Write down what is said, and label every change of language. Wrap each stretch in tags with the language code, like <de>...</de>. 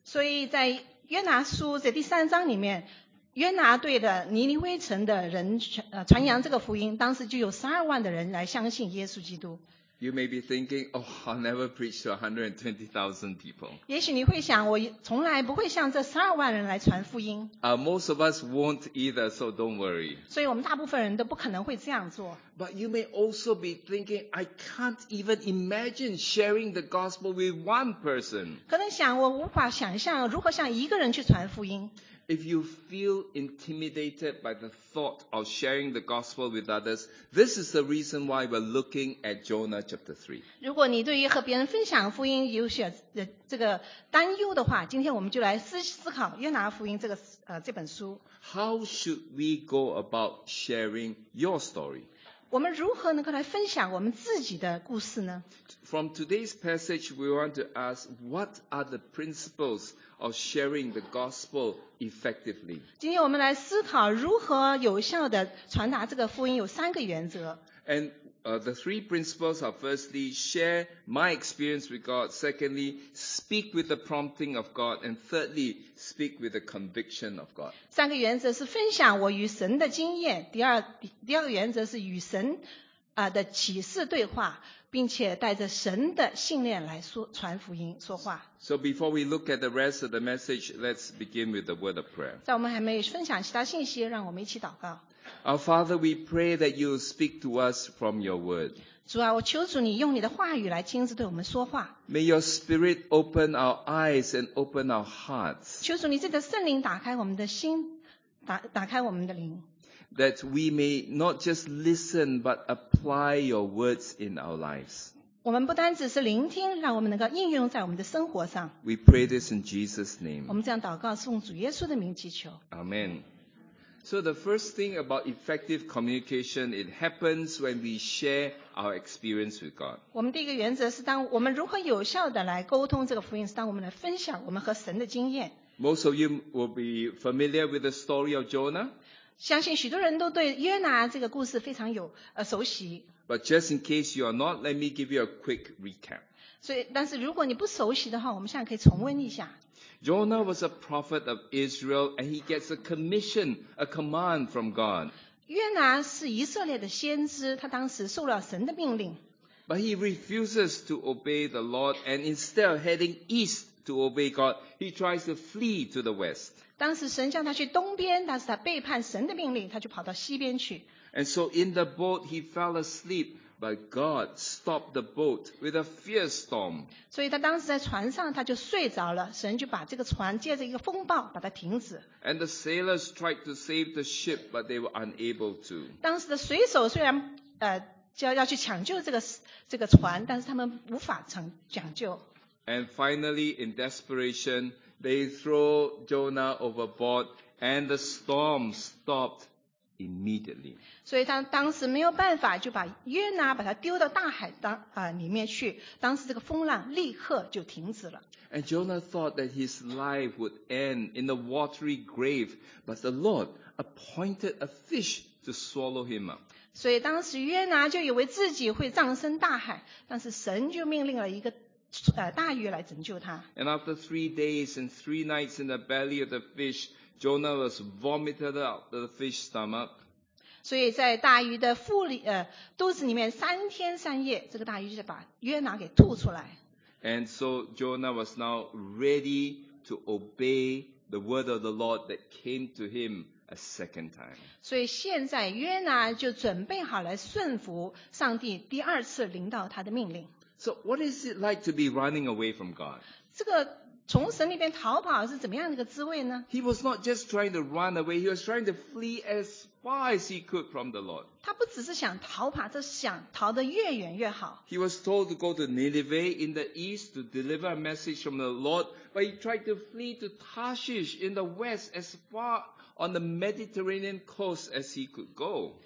<zh>所以在约拿书这第三章里面，约拿对的尼尼微城的人传扬这个福音，当时就有120,000的人来相信耶稣基督。</zh> <en>You may be thinking, oh, I'll never preach to 120,000 people.</en> <zh>也许你会想，我从来不会向这120,000人来传福音。</zh> <en>Most of us won't either, so don't worry.</en> <zh>所以我们大部分人都不可能会这样做。</zh> <en>But you may also be thinking, I can't even imagine sharing the gospel with one person.</en> <zh>可能想，我无法想象如何向一个人去传福音。</zh> <en>If you feel intimidated by the thought of sharing the gospel with others, this is the reason why we're looking at Jonah chapter 3.</en> <zh>如果你对于和别人分享福音有些这个担忧的话，今天我们就来思考约拿福音这个这本书。</zh> <en>How should we go about sharing your story?</en> <zh>我们如何能够来分享我们自己的故事呢？</zh> <en>From today's passage, we want to ask, what are the principles of sharing the gospel effectively?</en> <zh>今天我们来思考如何有效地传达这个福音，有三个原则。</zh> <en>And the three principles are firstly, share my experience with God. Secondly, speak with the prompting of God. And thirdly, speak with the conviction of God.</en> <zh>三个原则是分享我与神的经验。第二个原则是与神的启示对话，并且带着神的信念来传福音说话。</zh> <en>So before we look at the rest of the message, let's begin with the word of prayer.</en> <zh>在我们还没有分享其他信息，让我们一起祷告。</zh> <en>Our Father, we pray that you speak to us from your word.</en> <zh>主啊，我求主你用你的话语来亲自对我们说话。</zh> <en>May your spirit open our eyes and open our hearts.</en> <zh>求主你这个圣灵打开我们的心， 打开我们的灵。</zh> <en>That we may not just listen, but apply your words in our lives.</en> <zh>我们不单只是聆听，让我们能够应用在我们的生活上。</zh> <en>We pray this in Jesus' name.</en> <zh>我们这样祷告，是奉主耶稣的名祈求。</zh> <en>Amen. So the first thing about effective communication, it happens when we share our experience with God.</en> <zh>我们第一个原则是，当我们如何有效地来沟通这个福音，是当我们来分享我们和神的经验。</zh> <en>Most of you will be familiar with the story of Jonah.</en> <zh>相信许多人都对约拿这个故事非常有熟悉。</zh> <en>But just in case you are not, let me give you a quick recap.</en> <zh>所以，但是如果你不熟悉的话，我们现在可以重温一下。</zh> <en>Jonah was a prophet of Israel, and he gets a commission, a command from God.</en> <zh>约拿是以色列的先知，他当时受了神的命令。</zh> <en>But he refuses to obey the Lord, and instead of heading east to obey God, he tries to flee to the west.</en> <zh>当时神叫他去东边，但是他背叛神的命令，他就跑到西边去。</zh> <en>And so in the boat, he fell asleep, but God stopped the boat with a fierce storm.</en> <zh>所以他当时在船上他就睡着了，神就把这个船借着一个风暴把它停止。</zh> <en>And the sailors tried to save the ship, but they were unable to.</en> <zh>当时的水手虽然要去抢救这个船，但是他们无法抢救。</zh> <en>And finally, in desperation, they throw Jonah overboard, and the storm stopped immediately.</en> <zh>所以他当时没有办法，就把约拿把他丢到大海里面去。当时这个风浪立刻就停止了。</zh> <en>And Jonah thought that his life would end in the watery grave, but the Lord appointed a fish to swallow him up.</en> <zh>所以当时约拿就以为自己会葬身大海，但是神就命令了一个大鱼来拯救他。</zh> <en>And after 3 days and 3 nights in the belly of the fish, Jonah was vomited out the fish's stomach.</en> <zh>所以在大鱼的肚子里面3天3夜，这个大鱼就把约拿给吐出来。</zh> <en>And so Jonah was now ready to obey the word of the Lord that came to him. A second time.</en> <zh>所以现在约拿就准备好来顺服上帝第二次临到他的命令。</zh> <en>So what is it like to be running away from God?</en> <zh>这个从神那边逃跑是怎么样的一个滋味呢？</zh> <en>He was not just trying to run away, he was trying to flee as far as he could from the Lord.</en> <zh>他不只是想逃跑，他想逃得越远越好。</zh> <en>He was told to go to Nineveh in the east to deliver a message from the Lord, but he tried to flee to Tarshish in the west as farOn the Mediterranean coast as he could go.</en>